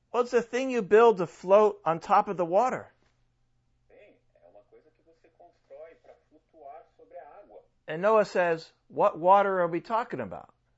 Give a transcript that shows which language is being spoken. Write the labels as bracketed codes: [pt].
[en] Well, it's a thing you build to float on top of the water. [pt] Bem, é uma coisa que você constrói para flutuar sobre a água. [en] And Noah says, what water are we talking about?